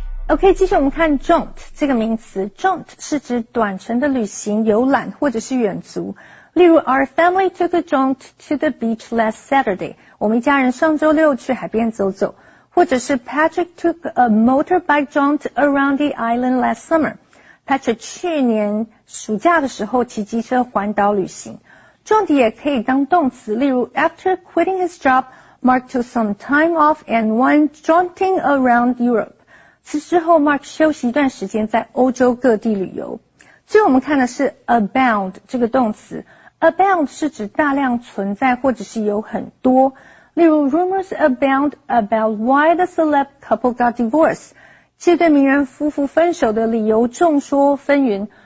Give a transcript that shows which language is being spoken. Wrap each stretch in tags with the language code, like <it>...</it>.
<zh>OK, 继续我们看 jaunt 这个名词。jaunt 是指短程的旅行、游览或者是远足。例如</zh> <en>,our family took a jaunt to the beach last Saturday.</en> <zh>我们一家人上周六去海边走走。或者是</zh> <en>Patrick took a motorbike jaunt around the island last summer.</en> <zh>Patrick 去年暑假的时候骑机车环岛旅行。</zh> <en>jaunt</en> <zh>也可以当动词。例如</zh> <en>,after quitting his job, Mark took some time off and went jaunting around Europe.</en> <zh>此之后 ,Mark 休息一段时间在欧洲各地旅游。最后我们看的是 abound 这个动词。abound 是指大量存在或者是有很多。例如</zh> <en>,rumors abound about why the celeb couple got divorced.</en> <zh>这对名人夫妇分手的理由众说纷纭。</zh>